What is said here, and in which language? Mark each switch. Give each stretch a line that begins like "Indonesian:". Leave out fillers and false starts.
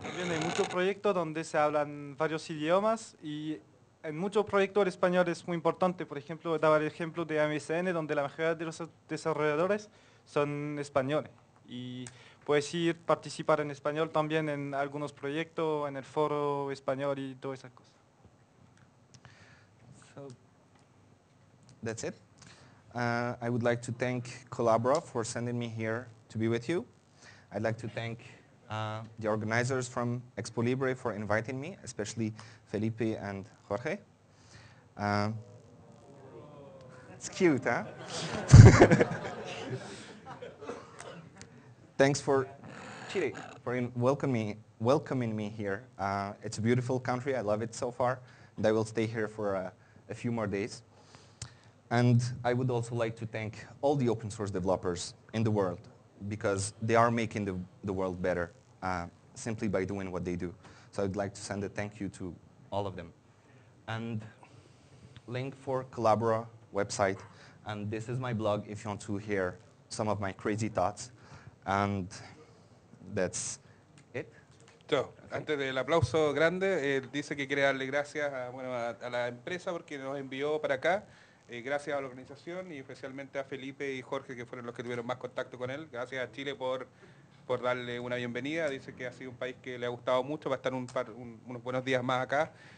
Spanish: También hay muchos proyectos donde se hablan varios idiomas, y en muchos proyectos el español es muy importante. Por ejemplo, daba el ejemplo de MSN, donde la mayoría de los desarrolladores son españoles. Y puedes ir a participar en español también en algunos proyectos, en el foro español y todas esas cosas.
English: So, that's it. I would like to thank Colabora for sending me here to be with you. I'd like to thank the organizers from Expo Libre for inviting me, especially Felipe and Jorge. It's cute, huh? Thanks for Chile for welcoming me here. It's a beautiful country. I love it so far, and I will stay here for a few more days. And I would also like to thank all the open source developers in the world, because they are making the world better simply by doing what they do. So I'd like to send a thank you to all of them. And link for Colabora website. And this is my blog if you want to hear some of my crazy thoughts. And that's it.
Spanish: So, antes del aplauso grande, él dice que quiere darle gracias a la empresa porque nos envió para acá. Gracias a la organización y especialmente a Felipe y Jorge, que fueron los que tuvieron más contacto con él. Gracias a Chile por darle una bienvenida. Dice que ha sido un país que le ha gustado mucho, va a estar unos buenos días más acá.